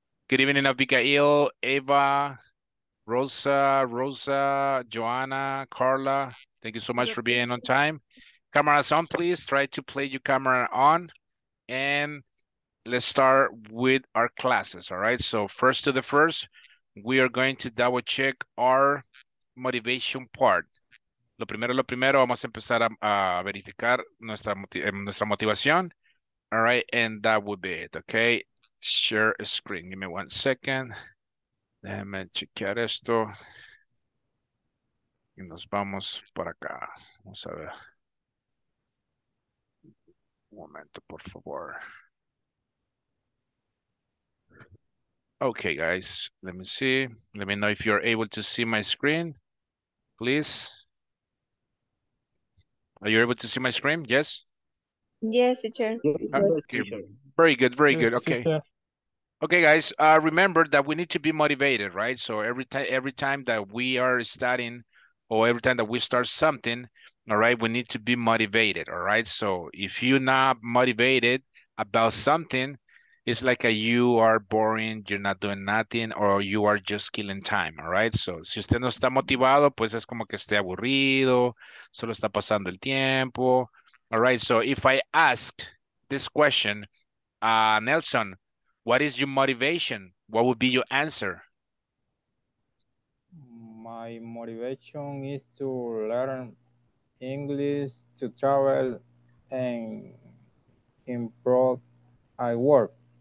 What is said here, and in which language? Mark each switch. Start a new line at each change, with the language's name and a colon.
English: Good evening, Abigail, Eva, Rosa, Joanna, Carla. Thank you so much for being on time. Cameras on, please. Try to play your camera on. And let's start with our classes, all right? So first to the first, we are going to double check our motivation part.
Spanish: Lo primero, vamos a empezar a verificar nuestra motivación.
English: All right, and that would be it, okay? Share a screen. Give me 1 second.
Spanish: Déjame chequear esto. Y nos vamos por acá. Vamos a ver. Momento, por favor.
English: Okay, guys. Let me see. Let me know if you're able to see my screen, please. Are you able to see my screen? Yes? Yes, teacher. Yes, Okay. teacher. Very good. Very Yes, good. Okay. teacher. Okay, guys, remember that we need to be motivated, right? So every time that we are studying or every time that we start something, all right, we need to be motivated, all right? So if you're not motivated about something, it's like you are boring, you're not doing nothing, or you are just killing time, all right?
Spanish: So si usted no está motivado, pues es como que esté aburrido, solo está pasando el tiempo, all right?
English: So if I ask this question, Nelson, what is your motivation? What would be your answer? My motivation is to learn English, to travel, and improve my work.